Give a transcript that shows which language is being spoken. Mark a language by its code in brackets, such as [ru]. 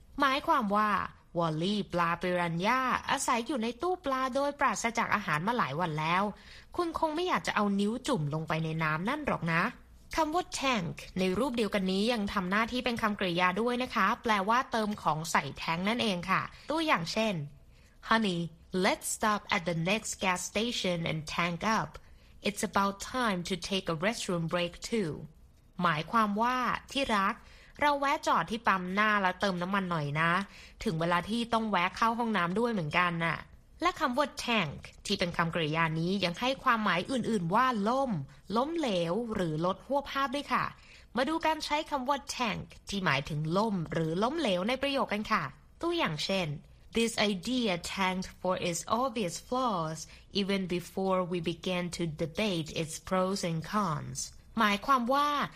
[th] หมายความว่าวอลลี่ปลาปิรันย่าอาศัยอยู่ในตู้ปลาโดยปราศจากอาหารมาหลายวันแล้วคุณคงไม่อยากจะเอานิ้วจุ่มลงไปในน้ำนั่นหรอกนะคำว่า tank ในรูปเดียวกันนี้ยังทำหน้าที่เป็นคำกริยาด้วยนะคะแปลว่าเติมของใส่แทงค์นั่นเองค่ะตัวอย่างเช่น [en] Honey, let's stop at the next gas station and tank up. It's about time to take a restroom break too. [th] หมายความว่าที่รักเราแวะจอดที่ปั๊มหน้าแล้วเติมน้ำมันหน่อยนะถึงเวลาที่ต้องแวะเข้าห้องน้ำด้วยเหมือนกันน่ะและคำว่า tank ที่เป็นคำกริยานี้ยังให้ความหมายอื่นๆว่า ล้มเหลวหรือลดหัวภาพด้วยค่ะมาดูการใช้คำว่า tank ที่หมายถึงล้มหรือล้มเหลวในประโยคกันค่ะตัวอย่างเช่น [en] This idea tanked for its obvious flaws even before we began to debate its pros and cons [th] หมายความว่า